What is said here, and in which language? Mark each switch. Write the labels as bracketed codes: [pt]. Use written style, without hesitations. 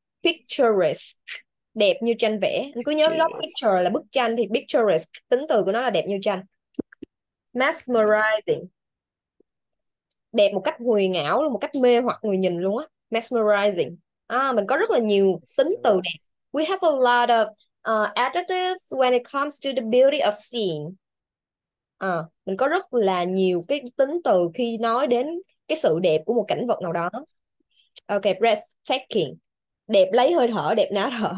[vi] Picturesque, đẹp như tranh vẽ. Anh cứ nhớ góc picture là bức tranh, thì picturesque tính từ của nó là đẹp như tranh. Mesmerizing, đẹp một cách huyền ảo luôn, một cách mê hoặc người nhìn luôn á. Mesmerizing. Mình có rất là nhiều tính từ đẹp. [en] We have a lot of adjectives when it comes to the beauty of scene. [vi] Mình có rất là nhiều cái tính từ khi nói đến cái sự đẹp của một cảnh vật nào đó. Ok, breathtaking. Đẹp lấy hơi thở, đẹp ná thở.